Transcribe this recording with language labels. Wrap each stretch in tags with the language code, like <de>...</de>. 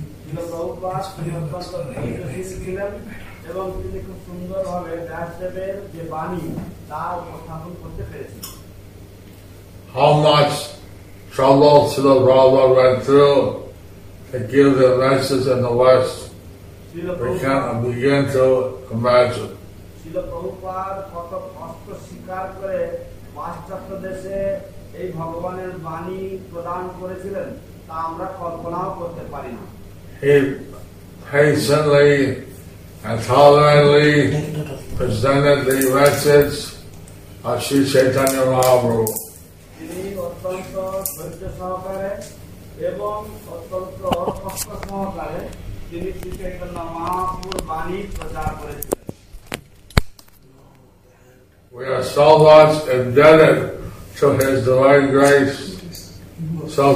<en>How much trouble Srila Prabhupada went through to give the message in the West, we can't begin to imagine.</en> <bn>Srila Prabhupada, what a posture shikar kare, পাশ্চাত্যদেশে এই ভগবানের বাণী প্রদান করেছিলেন তা আমরা কল্পনাও করতে পারি না।</bn> <en>He patiently and tolerantly presented the message of Sri Chaitanya Mahaprabhu.</en> <bn>তিনি অত্যন্ত ধৈর্য সহকারে এবং অত্যন্ত কষ্ট সহকারে তিনি শ্রী চৈতন্য মহাপ্রভুর বাণী প্রচার করেছিলেন।</bn> <en>We are so much indebted to His Divine Grace, Srila</en>